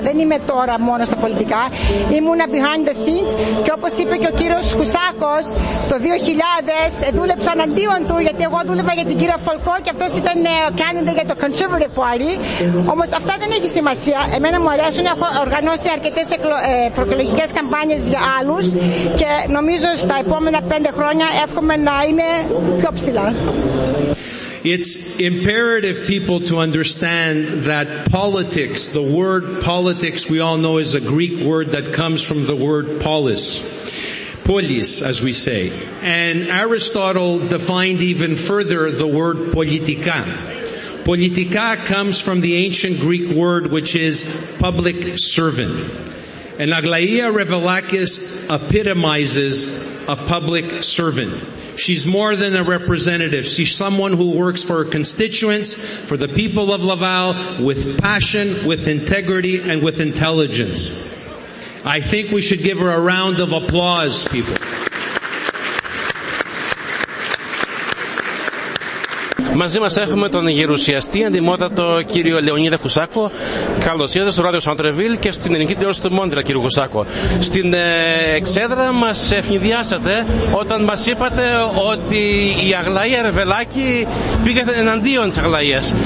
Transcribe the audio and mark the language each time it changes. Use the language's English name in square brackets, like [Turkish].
[Greek] Δεν είμαι τώρα μόνο στα πολιτικά. Ήμουνα [English] behind the scenes [Greek] και όπως είπε και ο κύριος Χουσάκος, το 2000 δούλεψα αντίον του, γιατί εγώ δούλευα για την κυρία Φολκό και αυτός ήταν candidate για το Conservative Party. Όμως αυτά δεν έχει σημασία. Εμένα μου αρέσουν. Έχω οργανώσει αρκετές προεκλογικές καμπάνιες για άλλους και νομίζω στα επόμενα 5 χρόνια εύχομαι να είμαι πιο ψηλά. [English] It's imperative people to understand that politics, the word politics we all know is a Greek word that comes from the word polis, polis as we say. And Aristotle defined even further the word politika. Politika comes from the ancient Greek word which is public servant. And Aglaia Revelakis epitomizes a public servant. She's more than a representative. She's someone who works for her constituents, for the people of Laval, with passion, with integrity, and with intelligence. I think we should give her a round of applause, people. [Greek] Μαζί μας έχουμε τον γερουσιαστή αντιμότατο κύριο Λεωνίδα Κουσάκο. Καλώς ήρθατε στο Ράδιο Σαντρεβίλ και στην ελληνική τηλεόραση του Μόντρεα, κύριε Κουσάκο. Στην εξέδρα μας ευνηδιάσατε όταν μας είπατε ότι η Αγλαία Ρεβελάκη πήγε εναντίον της Αγλαίας.